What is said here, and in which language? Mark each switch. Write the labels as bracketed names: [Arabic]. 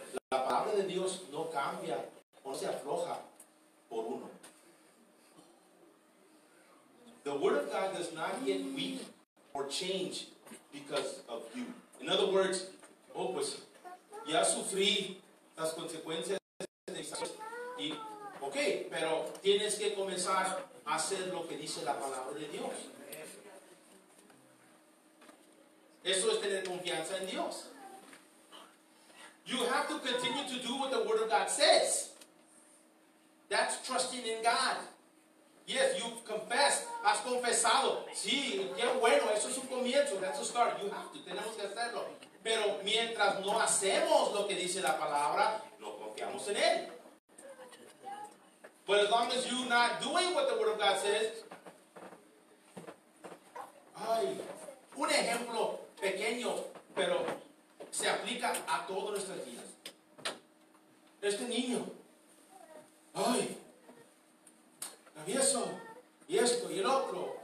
[Spanish] La palabra de Dios no cambia o se afloja por uno. [English] The word of God does not get weak or change because of you. In other words, [Spanish] oh pues, ya sufrí las consecuencias de Isaías y, ok, pero tienes que comenzar a hacer lo que dice la palabra de Dios. Eso es tener confianza en Dios. [English] You have to continue to do what the Word of God says. That's trusting in God. Yes, you've confessed. [Spanish] Has confesado. Sí, qué bueno. Eso es un comienzo. [English] That's a start. You have to. [Spanish] Tenemos que hacerlo. Pero mientras no hacemos lo que dice la palabra, no confiamos en Él. [English] But as long as you're not doing what the Word of God says. [Spanish] Ay, un ejemplo pequeño, pero se aplica a todas nuestras vidas. Este niño, ay, travieso, y esto y el otro,